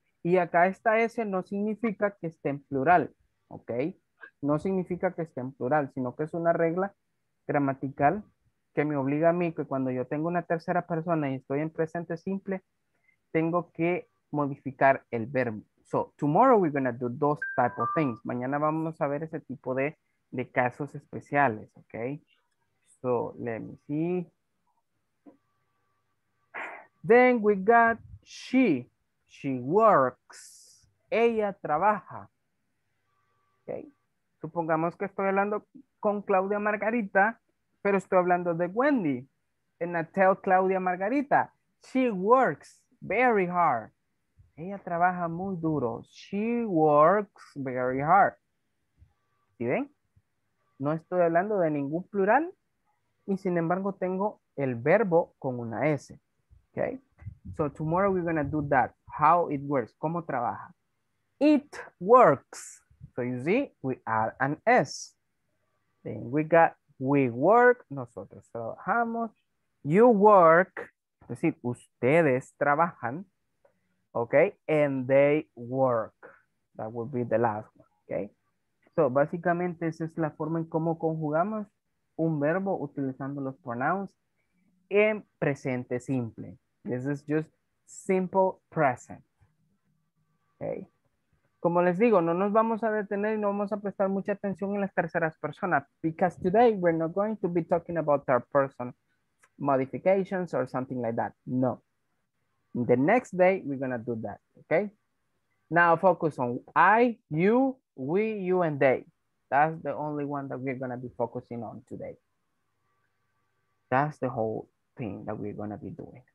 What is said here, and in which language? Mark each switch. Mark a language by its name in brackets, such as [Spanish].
[Spanish] Y acá esta S no significa que esté en plural, ¿ok? No significa que esté en plural, sino que es una regla gramatical que me obliga a mí que cuando yo tengo una tercera persona y estoy en presente simple, tengo que modificar el verbo. [English] So, tomorrow we're going to do those type of things. [Spanish] Mañana vamos a ver ese tipo de casos especiales, ¿ok? [English] So, let me see. Then we got she. She works. [Spanish] Ella trabaja. Okay. Supongamos que estoy hablando con Claudia Margarita, pero estoy hablando de Wendy. [English] And I tell Claudia Margarita, she works very hard. [Spanish] Ella trabaja muy duro. [English] She works very hard. [Spanish] ¿Sí ven? No estoy hablando de ningún plural y sin embargo tengo el verbo con una S. [English] Okay. So tomorrow we're going to do that. How it works. [Spanish] ¿Cómo trabaja? [English] It works. So you see, we add an S. Then we got, we work. [Spanish] Nosotros trabajamos. [English] You work. [Spanish] Es decir, ustedes trabajan. Okay. [English] And they work. That would be the last one. Okay. [Spanish] So básicamente esa es la forma en cómo conjugamos un verbo utilizando los pronouns en presente simple. [English] This is just simple present. Okay. [Spanish] Como les digo, no nos vamos a detener y no vamos a prestar mucha atención en las terceras personas. [English] Because today we're not going to be talking about third person modifications or something like that. No. The next day we're going to do that. Okay. Now focus on I, you, we, you, and they. That's the only one that we're going to be focusing on today. That's the whole thing that we're going to be doing.